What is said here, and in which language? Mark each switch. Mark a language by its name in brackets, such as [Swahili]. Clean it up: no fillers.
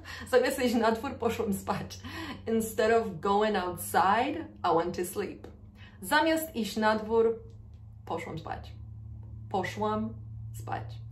[Polish] Zamiast iść na dwór, poszłam spać. [English] Instead of going outside, I went to sleep. [Polish] Zamiast iść na dwór, poszłam spać. Poszłam spać.